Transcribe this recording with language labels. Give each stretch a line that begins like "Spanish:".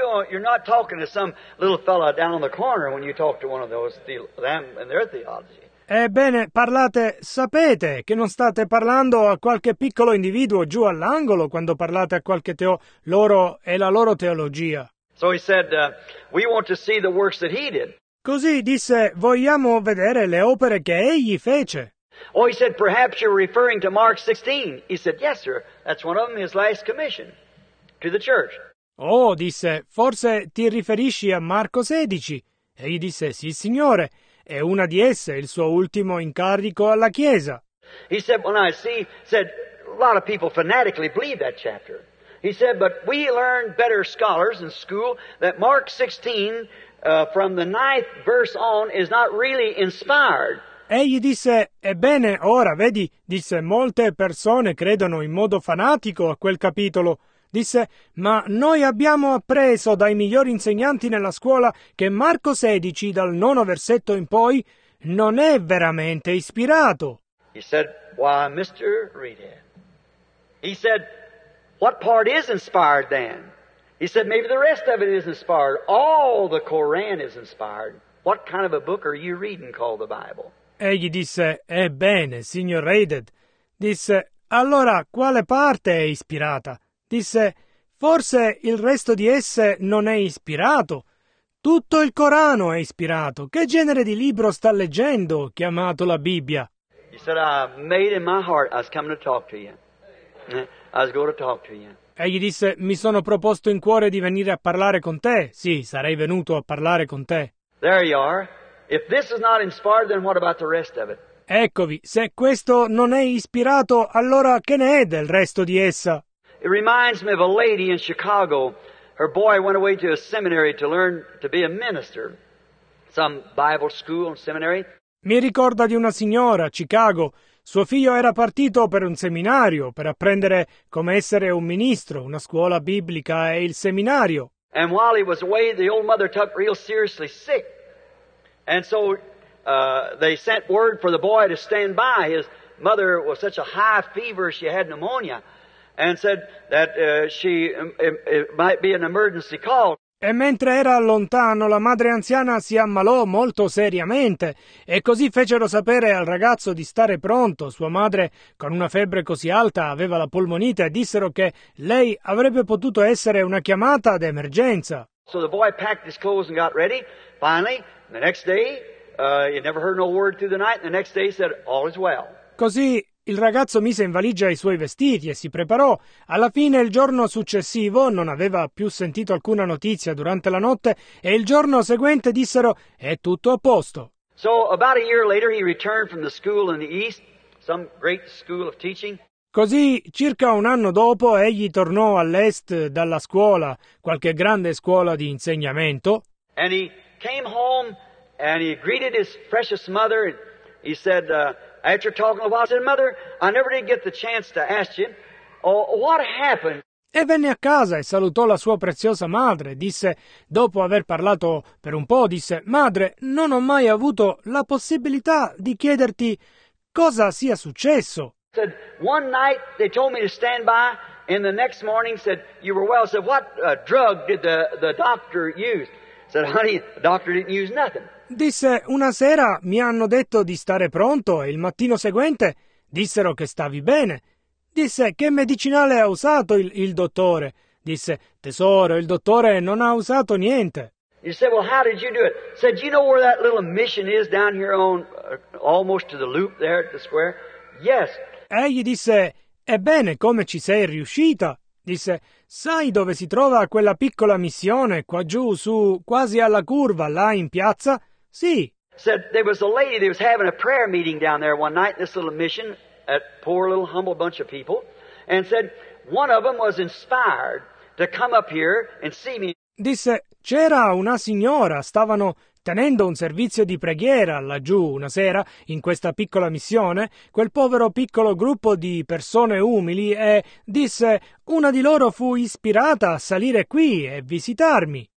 English: You're not talking to some little fella down on the corner when you talk to one of those them and their theology.
Italian: Ebbene, parlate, sapete che non state parlando a qualche piccolo individuo giù all'angolo quando parlate a qualche loro e la loro teologia.
English: So he said, we want to see the works that he did.
Italian: Così disse, vogliamo vedere le opere che egli fece.
English: Oh, he said, perhaps you're referring to Mark 16. He said, yes, sir, that's one of them, his last commission to the church.
Italian: Oh, disse, forse ti riferisci a Marco 16. E gli disse, sì, signore, è una di esse, il suo ultimo incarico alla Chiesa.
English: He said, well, now, see, said, a lot of people fanatically believe that chapter. He said, but we learned better scholars in school that Mark 16, from the ninth verse on, is not really inspired.
Italian: Egli disse, ebbene, ora, vedi, disse, molte persone credono in modo fanatico a quel capitolo. Disse, ma noi abbiamo appreso dai migliori insegnanti nella scuola che Marco 16, dal nono versetto in poi, non è veramente ispirato.
English: He said, why, Mr. Reedhead? He said, what part is inspired then? He said, maybe the rest of it is inspired. All the Koran is inspired. What kind of a book are you reading called the Bible?
Italian: Egli disse, ebbene, signor Reedhead. Disse, allora, quale parte è ispirata? Disse, forse il resto di esse non è ispirato. Tutto il Corano è ispirato. Che genere di libro sta leggendo, chiamato la Bibbia?
English: He said, I made in my heart, I was coming to talk to you. I was going to talk to you.
Italian: Egli disse, mi sono proposto in cuore di venire a parlare con te. Sì, sarei venuto a parlare con te.
English: There you are. If this is not inspired, then what about the rest of it?
Italian: Eccovi, se questo non è ispirato, allora che ne è del resto di essa?
English: It reminds me of a lady in Chicago. Her boy went away to a seminary to learn to be a minister. Some Bible school and seminary.
Italian: Mi ricorda di una signora a Chicago. Suo figlio era partito per un seminario per apprendere come essere un ministro, una scuola biblica e il seminario.
English: And while he was away, the old mother took real seriously sick. And so they sent word for the boy to stand by. His mother was such a high fever, she had pneumonia. And said that it might be an emergency call.
Italian: E mentre era lontano, la madre anziana si ammalò molto seriamente. E così fecero sapere al ragazzo di stare pronto. Sua madre, con una febbre così alta, aveva la polmonite. E dissero che lei avrebbe potuto essere una chiamata d'emergenza.
English: So the boy packed his clothes and got ready. Finally, the next day, he never heard no word through the night. The next day, he said, all is well.
Italian: Così il ragazzo mise in valigia i suoi vestiti e si preparò. Alla fine, il giorno successivo, non aveva più sentito alcuna notizia durante la notte e il giorno seguente dissero, è tutto a posto.
English: So, about a year later, he returned from the school in the east, some great school of teaching.
Italian: Così, circa un anno dopo, egli tornò all'est dalla scuola, qualche grande scuola di insegnamento.
English: And he came home and he greeted his precious mother and he said, after talking a while, I said, Mother, I never did get the chance to ask you, what happened?
Italian: E venne a casa e salutò la sua preziosa madre. Disse, dopo aver parlato per un po', disse, Madre, non ho mai avuto la possibilità di chiederti cosa sia successo.
English: Said, one night they told me to stand by, and the next morning said, you were well. Said, what drug did the doctor use? Said, honey, the doctor didn't use nothing.
Italian: Disse, una sera mi hanno detto di stare pronto e il mattino seguente dissero che stavi bene. Disse, che medicinale ha usato il dottore? Disse, tesoro, il dottore non ha usato niente.
English: He said, well, how did you do it? Said, you know where that little mission is down here on, almost to the loop there at the square? Yes.
Italian: Egli disse, ebbene, come ci sei riuscita? Disse, sai dove si trova quella piccola missione qua giù su, quasi alla curva, là in piazza? Sí.
English: Said there was a lady that was having a prayer meeting down there one night in this little mission, at poor little humble bunch of people, and said one of them was inspired to come up here and see me.
Italian: Disse, c'era una signora, stavano tenendo un servizio di preghiera laggiù una sera, in questa piccola missione, quel povero piccolo gruppo di persone umili, e disse, una di loro fu ispirata a salire qui e visitarmi.